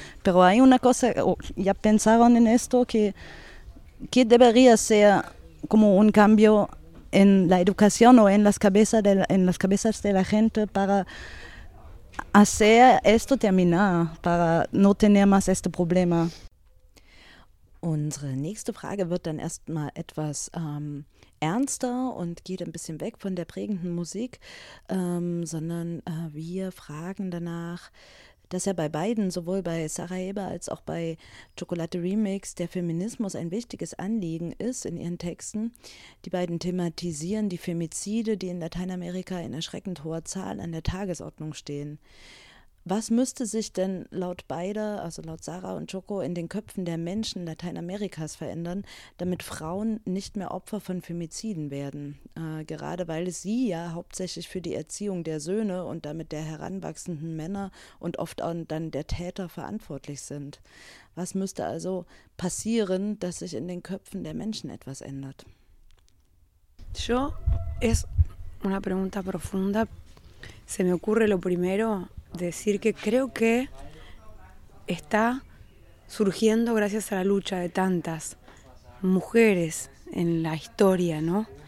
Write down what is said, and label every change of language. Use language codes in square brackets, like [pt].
[es] Pero hay una cosa, ¿ya pensaron en esto? ¿Qué debería ser como un cambio en la educación o en las cabezas de la gente para hacer esto terminar, para no tener más este problema? [de] Unsere nächste Frage wird dann erstmal etwas ernster und geht ein bisschen weg von der prägenden Musik, sondern wir fragen danach, dass ja bei beiden, sowohl bei Sarah Heber als auch bei Chocolate Remix, der Feminismus ein wichtiges Anliegen ist in ihren Texten. Die beiden thematisieren die Femizide, die in Lateinamerika in erschreckend hoher Zahl an der Tagesordnung stehen. Was müsste sich denn laut beider, also laut Sarah und Choco, in den Köpfen der Menschen Lateinamerikas verändern, damit Frauen nicht mehr Opfer von Femiziden werden? Gerade weil sie ja hauptsächlich für die Erziehung der Söhne und damit der heranwachsenden Männer und oft auch dann der Täter verantwortlich sind. Was müsste also passieren, dass sich in den Köpfen der Menschen etwas ändert? [es] Yo es una pregunta profunda. Se me ocurre lo primero. Decir que creo que está surgiendo gracias a la lucha de tantas mujeres en la historia, ¿no?